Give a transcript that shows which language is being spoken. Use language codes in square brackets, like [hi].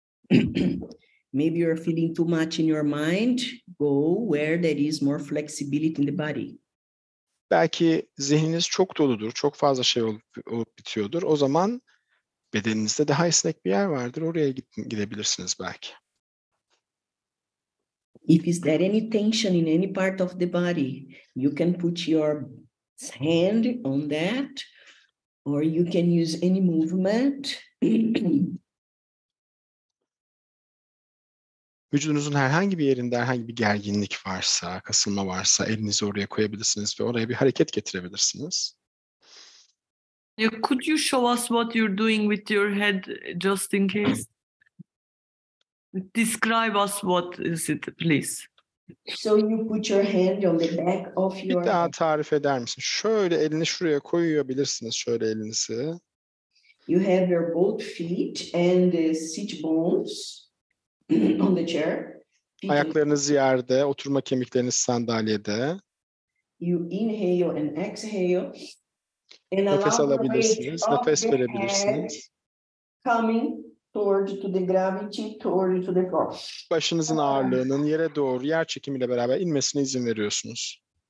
[en] Maybe you're feeling too much in your mind. Go where there is more flexibility in the body. [tr] Belki zihniniz çok doludur, çok fazla şey olup bitiyordur. O zaman bedeninizde daha esnek bir yer vardır. Oraya gidebilirsiniz belki. [en] If is there any tension in any part of the body, you can put your hand on that, or you can use any movement. [tr] Vücudunuzun herhangi bir yerinde herhangi bir gerginlik varsa, kasılma varsa elinizi oraya koyabilirsiniz ve oraya bir hareket getirebilirsiniz. [en] Could you show us what you're doing with your head just in case? Describe us what is it, please. So you put your hand on the back of your... [tr] Bir daha tarif eder misin? Şöyle elini şuraya koyabilirsiniz, şöyle elinizi. [en] You have your both feet and the sit bones. On the chair. [tr] Ayaklarınız yerde, oturma kemikleriniz sandalyede. [en] You inhale and exhale. [tr] And nefes alabilirsiniz, nefes verebilirsiniz. [en] Coming towards to the gravity, towards to the floor. [tr] Başınızın ağırlığının yere doğru yer çekimiyle beraber inmesine izin veriyorsunuz.